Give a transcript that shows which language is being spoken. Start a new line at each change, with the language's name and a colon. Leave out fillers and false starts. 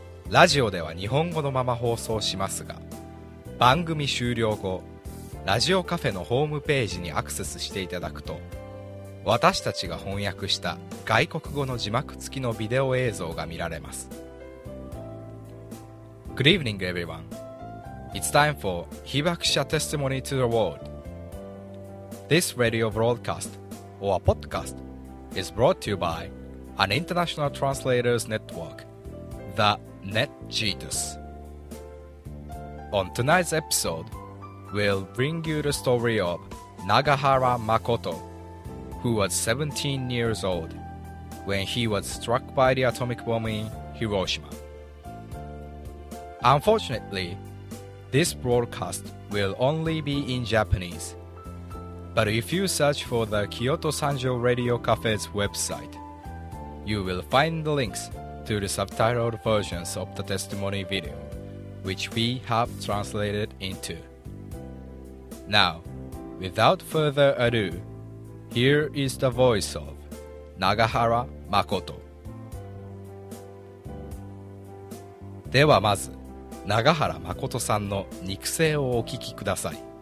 Japanese: ラジオでは日本語のまま放送しますが、番組終了後ラジオカフェのホームページにアクセスしていただくと、私たちが翻訳した外国語の字幕付きのビデオ映像が見られます。
English: Good evening everyone. It's time for 被爆者 testimony to the world. This radio broadcast or podcast is brought to you by an international translators network, the NetJeetus. On tonight's episode,will bring you the story of Nagahara Makoto, who was 17 years old when he was struck by the atomic bomb in Hiroshima. Unfortunately, this broadcast will only be in Japanese, but if you search for the Kyoto Sanjo Radio Cafe's website, you will find the links to the subtitled versions of the testimony video, which we have translated intoNow, without further ado, here is the voice of Nagahara Makoto.
Japanese: ではまず、永原誠さんの肉声をお聞きください。